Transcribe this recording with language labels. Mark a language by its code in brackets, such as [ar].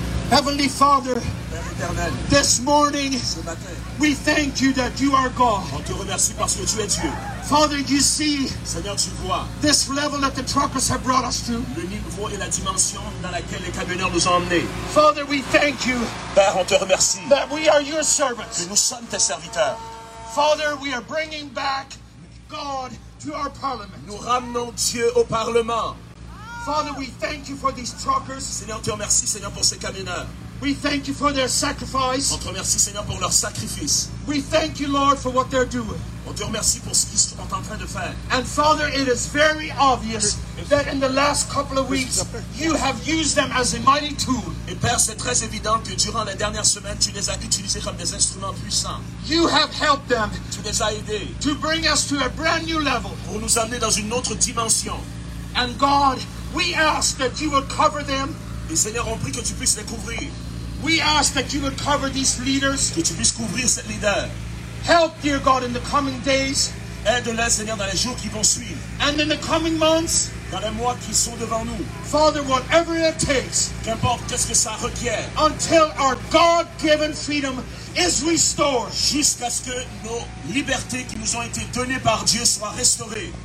[en] Heavenly Father, this morning, we thank you that you are God. [fr] On te remercie parce que tu es Dieu. [en] Father, you see, [fr] Seigneur, tu vois, [en] this level that the truckers have brought us to. [fr] Le niveau et la dimension dans laquelle les camionneurs nous ont emmenés. [en] Father, we thank you. [fr] Père, on te remercie. [en] That we are your servants. [fr] Que nous sommes tes serviteurs. [en] Father, we are bringing back God to our parliament. [fr] Nous ramenons Dieu au parlement. [en] Father, we thank you for these truckers. [fr] Seigneur, te remercie, Seigneur, pour ces camionneurs. [en] We thank you for their sacrifice. [fr] On te remercie, Seigneur, pour leur sacrifice. [en] We thank you, Lord, for what they're doing. [fr] On te remercie pour ce qu'ils sont en train de faire. [en] And Father, it is very obvious that in the last couple of weeks, you have used them as a mighty tool. [fr] Et Père, c'est très évident que durant la dernière semaine, tu les as utilisés comme des instruments puissants. [en] You have helped them. [fr] Tu les as aidés. [en] To bring us to a brand new level. [fr] Pour nous amener dans une autre dimension. [en] And God, we ask that you would cover them. [fr] Et Seigneur, on prie que tu puisses les couvrir. [en] We ask that you would cover these leaders. [fr] Que tu puisses couvrir ces leaders. [en] Help, dear God, in the coming days [fr] Aide-les, Seigneur, dans les jours qui vont suivre. [en] And in the coming months, [fr] dans les mois qui sont devant nous, [en] Father, whatever it takes, [fr] qu'importe qu'est-ce que ça requiert, [en] until our God-given freedom is restored, [fr] jusqu'à ce que nos libertés qui nous ont été données par Dieu soient restaurées.